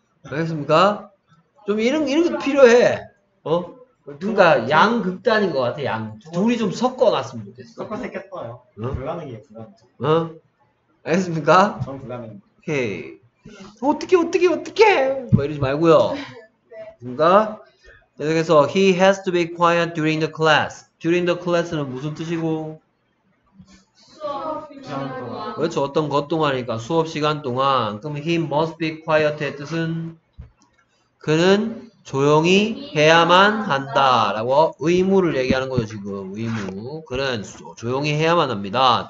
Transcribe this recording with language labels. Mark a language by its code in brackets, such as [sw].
[ko] 알겠습니까? 좀 이런 게 필요해. 어? 누가 양 극단인 것 같아. 양 둘이 좀 섞어 놨으면 좋겠어. 섞어 새겠어요. 불가능해. 불가능. 알겠습니까? 전 불가능. 오케이. 어떻게 뭐 이러지 말고요. 네. 누가 계속해서 [en] he has to be quiet during the class. during the class는 [ko] 무슨 뜻이고? 수업 시간 동안. 그렇죠. 어떤 것 동안이니까 수업 시간 동안. 그럼 [en] he must be quiet [ko] 의 뜻은 그는 조용히 해야만 한다 라고 의무를 얘기하는 거죠. 지금 의무. 그는 조용히 해야만 합니다.